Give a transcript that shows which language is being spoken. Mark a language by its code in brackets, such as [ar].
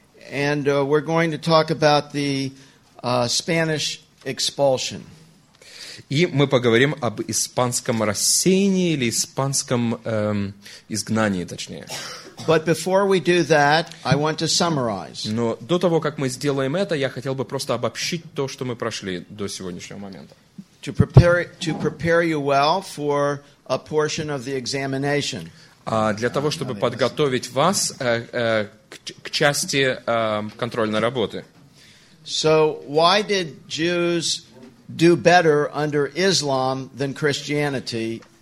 [en] And we're going to talk about the Spanish expulsion. [ru] И мы поговорим об испанском рассеянии или испанском изгнании, точнее. [en] But before we do that, I want to summarize. [ru] Но до того, как мы сделаем это, я хотел бы просто обобщить то, что мы прошли до сегодняшнего момента. [en] To prepare you well for a portion of the examination. [ru] Для того, чтобы подготовить вас к части контрольной работы. [en] So why did Jews do better under Islam than Christianity?